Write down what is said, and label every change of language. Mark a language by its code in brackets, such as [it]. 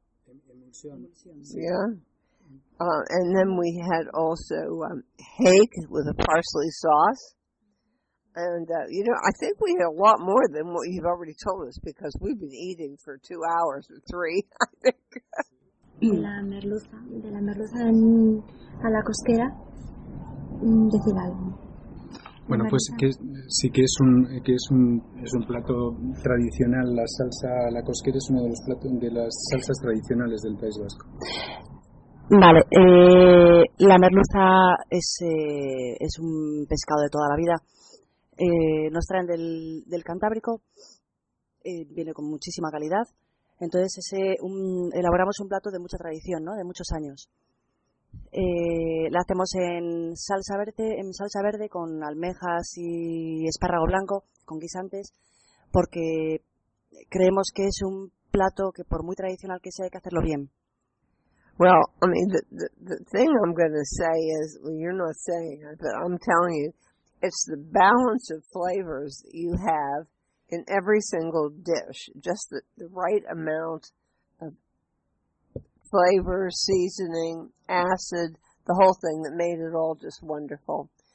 [en] Emulsion. Yeah. And then we had also hake with a parsley sauce. And, you know, I think we had a lot more than what you've already told us, because we've been eating for 2 hours or three, I think. [es] De la merluza a la costera, decir algo. Bueno, pues que sí que es un plato tradicional. La salsa a la costera es uno de los platos, de las salsas tradicionales del País Vasco. Vale, la merluza es un pescado de toda la vida. Nos traen del Cantábrico, viene con muchísima calidad. Entonces elaboramos un plato de mucha tradición, ¿no? De muchos años. La hacemos en salsa verde con almejas y espárrago blanco, con guisantes, porque creemos que es un plato que, por muy tradicional que sea, hay que hacerlo bien. [en] Well, I mean, the thing I'm going to say is, well, you're not saying it, but I'm telling you, it's the balance of flavors you have in every single dish, just the right amount of flavor, seasoning, acid, the whole thing that made it all just wonderful.